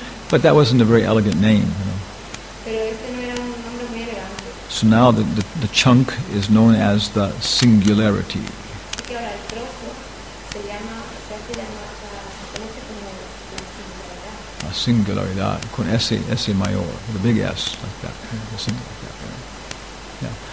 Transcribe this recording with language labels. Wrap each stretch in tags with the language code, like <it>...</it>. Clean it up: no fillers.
<en>But that wasn't a very elegant name. You know.</en> <es>Pero este no era un nombre muy elegante.</es> <en>So now the chunk is known as the singularity.</en> <es>A singularidad, con S mayor,</es> <en>the big S, like that. Yeah.</en>